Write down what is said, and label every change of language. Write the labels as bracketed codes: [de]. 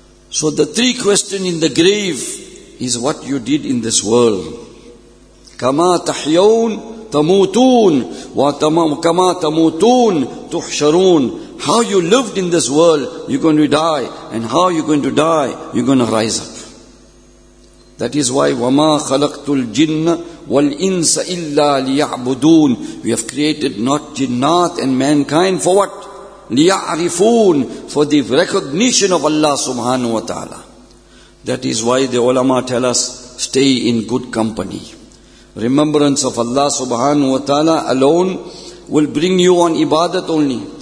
[en] So the three questions in the grave is what you did in this world. [ar] Kama tahyoon tamutoon wa kama tamutoon tuhsharoon. [en] How you lived in this world, you're going to die. And how you're going to die, you're going to rise up. That is why [ar] وَمَا خَلَقْتُ الْجِنَّ وَالْإِنسَ إِلَّا لِيَعْبُدُونَ. [en] We have created not jinnat and mankind for what? لِيَعْرِفُونَ, for the recognition of Allah subhanahu wa ta'ala. That is why the ulama tell us, stay in good company. Remembrance of Allah subhanahu wa ta'ala alone will bring you on ibadat only.